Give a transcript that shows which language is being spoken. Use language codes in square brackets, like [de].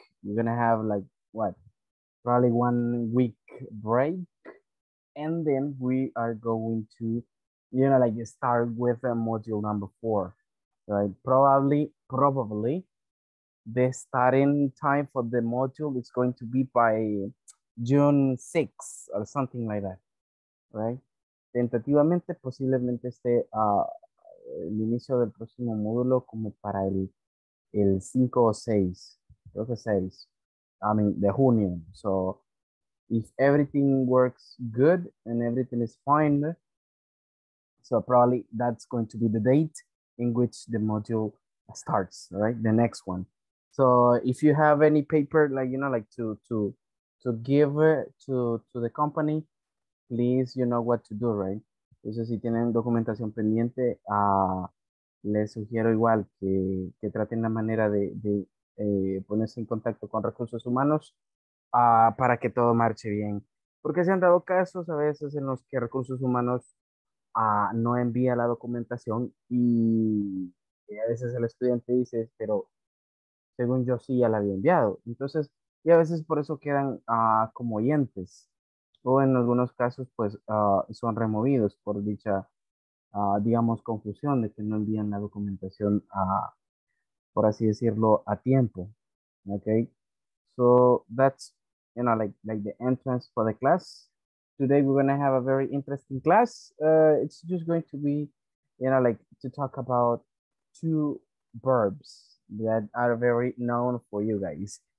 [en] We're gonna have like what, probably 1 week break, and then we are going to, start with module number 4, right? Probably the starting time for the module is going to be by June 6 or something like that, right? [es] Tentativamente, posiblemente esté el inicio del próximo módulo como para el 5 o 6, creo que 6, de junio. [en] So if everything works good and everything is fine, so probably that's going to be the date in which the module starts, right? The next one. So if you have any paper, to give to the company, please, you know what to do, right? [es] Entonces, si tienen documentación pendiente, les sugiero igual que traten la manera de ponerse en contacto con recursos humanos para que todo marche bien. Porque se han dado casos a veces en los que recursos humanos no envía la documentación y a veces el estudiante dice, pero según yo sí ya la había enviado. Entonces, y a veces por eso quedan como oyentes, o en algunos casos pues son removidos por dicha, digamos, confusión de que no envían la documentación, por así decirlo, a tiempo. [en] Okay, so that's, like the entrance for the class. Today we're gonna have a very interesting class. It's just going to be, to talk about two verbs that are very known for you guys.